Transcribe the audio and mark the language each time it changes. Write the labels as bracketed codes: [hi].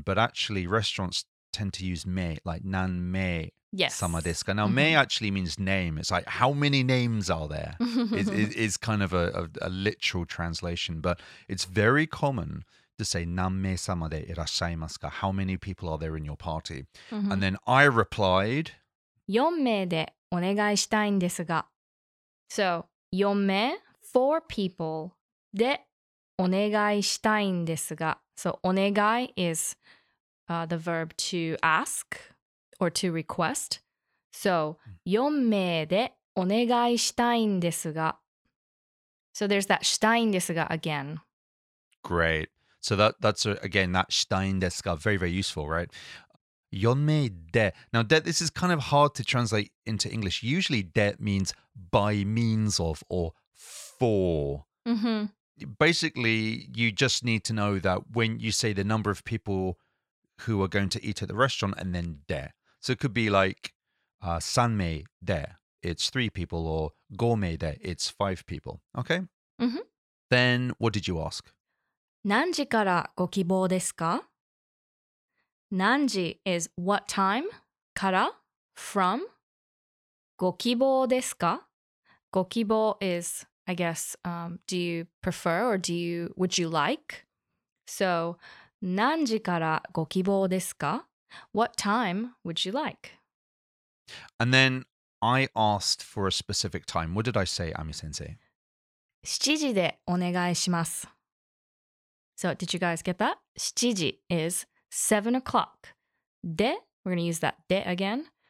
[en] But actually restaurants tend to use 名, like [ja] 何名様ですか? [en] Now, 名actually means name. It's like how many names are there? It's kind of a literal translation. But it's very common to say [ja] 何名様でいらっしゃいますか? [en] How many people are there in your party? And then I replied, [ja] 四名でお願いしたいんですが. [en] So, 四名, four people, [ja] でお願いしたいんですが. [en] So, お願い is the verb to ask or to request. [ja] So, 四名でお願いしたいんですが. [en] So, there's that したいんですが again. Great. So that's, again, that [ja] したいんですが, [en] very, very useful, right? 四名で.Now, de, this is kind of hard to translate into English. Usually, de means by means of or for. Basically, you just need to know that when you say the number of people who are going to eat at the restaurant and then de. So it could be like [ja] 三名で, [en] it's three people, or [ja] 五名で, [en] it's five people. Okay? Then what did you ask? [ja] 何時からご希望ですか? [en] 何時 is what time? から?From? [ja] ご希望ですか? [en] ご希望 is, I guess, do you prefer or do you, would you like? [ja] So, 何時からご希望ですか? [en] What time would you like? And then I asked for a specific time. What did I say, Ami-sensei? [ja] 7時でお願いします。 [en] So, did you guys get that? 7時 is 7 o'clock. で, we're going to use that で again.